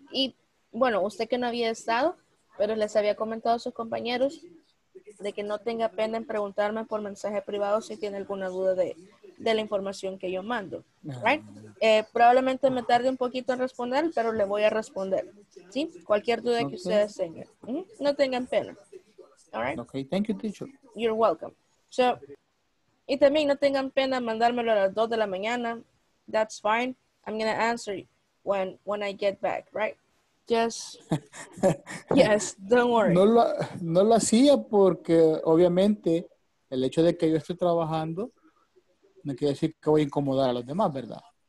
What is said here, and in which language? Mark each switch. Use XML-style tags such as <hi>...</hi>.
<es>Y bueno, usted que no había estado, pero les había comentado a sus compañeros de que no tenga pena en preguntarme por mensaje privado si tiene alguna duda de la información que yo mando.</es> <en>Right?</en> <es>Probablemente me tarde un poquito en responder, pero le voy a responder. ¿Sí? Cualquier duda que ustedes tengan. No tengan pena.</es> <en>All right? Okay, thank you, teacher. You're welcome.</en> <es>So, y también no tengan pena en mandármelo a las 2 de la mañana.</es> <en>That's fine. I'm going to answer you when I get back, right? Yes. Yes, don't worry.</en> <es>No lo hacía porque obviamente el hecho de que yo esté trabajando no quiere decir que voy a incomodar a los demás, ¿verdad?</es>